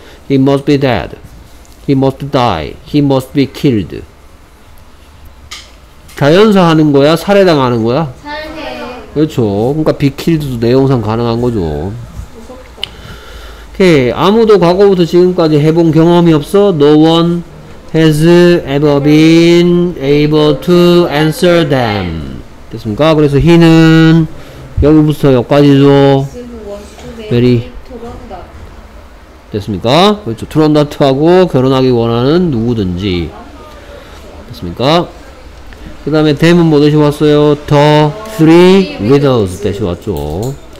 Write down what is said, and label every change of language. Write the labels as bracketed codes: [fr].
[en] He must be dead. He must die. He must be killed. [ko] 자연사하는 거야? 살해당하는 거야? 살해. 그렇죠. 그러니까 [en] be killed [ko] 도 내용상 가능한 거죠. 무섭다. 오케이. 아무도 과거부터 지금까지 해본 경험이 없어? [en] No one has ever been able to answer them. [ko] 됐습니까? 그래서 he는 여기부터 여기까지죠. [en] very [ko] 됐습니까? 그렇죠. 트론다트하고 결혼하기 원하는 누구든지 됐습니까? 그 다음에 them은 뭐 대신 왔어요? [en] the three riddles [ko] 대신 왔죠.